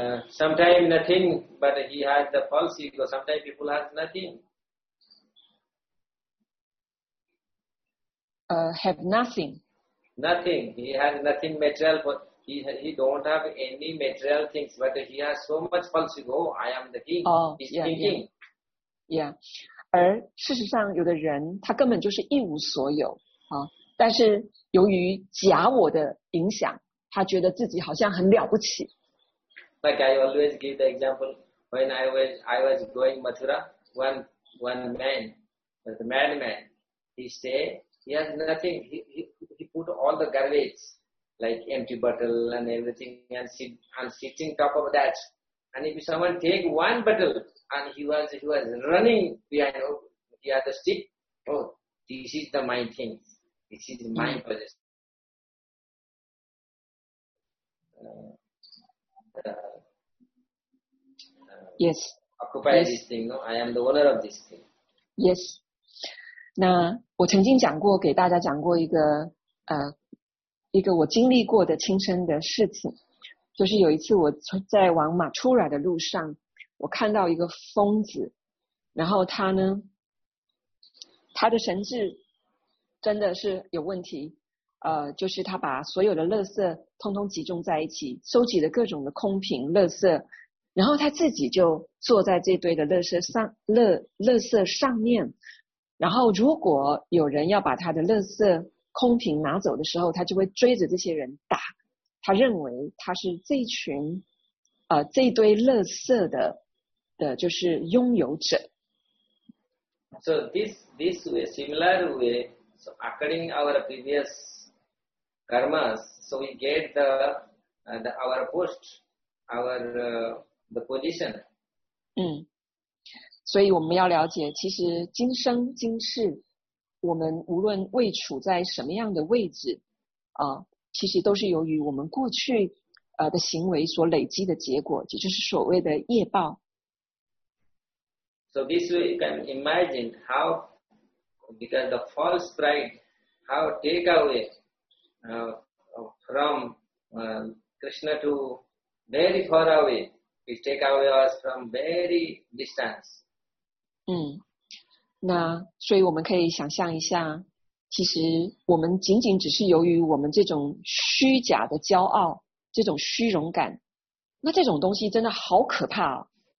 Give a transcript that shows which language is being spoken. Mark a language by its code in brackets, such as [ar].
[en] Sometimes nothing, but he has the false ego. Sometimes people have nothing. Have nothing. Nothing. He has nothing material, but he don't have any material things, but he has so much false ego. I am the king. He's thinking. [zh] Yeah, 而事实上有的人他根本就是一无所有但是由于假我的影响他觉得自己好像很了不起。 [en] Like I always give the example, when I was going Mathura, one man, the madman, he say he has nothing, he put all the garbage, like empty bottle and everything and sitting top of that. And if someone take one bottle,And he was running behind the other stick. Oh, this is the my thing. This is my possession. Yes. Occupy this thing. No, I am the owner of this thing. Yes. [zh] 那我曾经讲过，给大家讲过一个我经历过的亲身的事情，就是有一次我在往马出来的路上，我看到一个疯子，然后他呢，他的神智真的是有问题，就是他把所有的垃圾通通集中在一起，收集了各种的空瓶垃圾，然后他自己就坐在这堆的垃圾上面，然后如果有人要把他的垃圾空瓶拿走的时候，他就会追着这些人打，他认为他是这堆垃圾的就是拥有者。 [en] So this way, similar way, so according our previous karmas, so we get our post, the position. [zh] 所以我们要了解，其实今生今世，我们无论位处在什么样的位置，其实都是由于我们过去的行为所累积的结果，也就是所谓的业报。 [en] So this way you can imagine how, because the false pride, how take away from Krishna to very far away, it take away us from very distance. [zh] 那所以我们可以想象一下，其实我们仅仅只是由于我们这种虚假的骄傲，这种虚荣感，那这种东西真的好可怕哦。